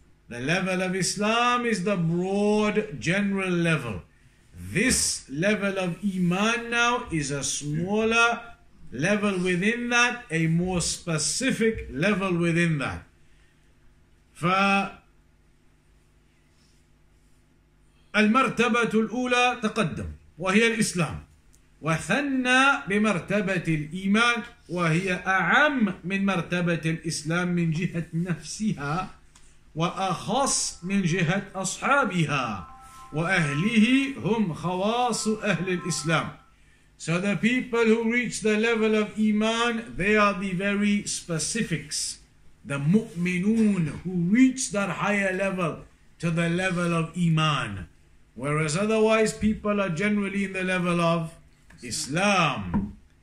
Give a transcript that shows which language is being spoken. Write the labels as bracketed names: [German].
[English] The level of Islam is the broad general level. This level of Iman now is a smaller level within that, a more specific level within that. [Arabic] فالمرتبة الأولى تقدم وهي الإسلام وثنى بمرتبة الإيمان وهي أعم من مرتبة الإسلام من جهة نفسها وأخص من جهة أصحابها وأهله هم خواص أهل الإسلام. [English] So the people who reach the level of Iman, they are the very specifics. The mu'minun who reach that higher level to the level of Iman. Whereas otherwise people are generally in the level of Islam.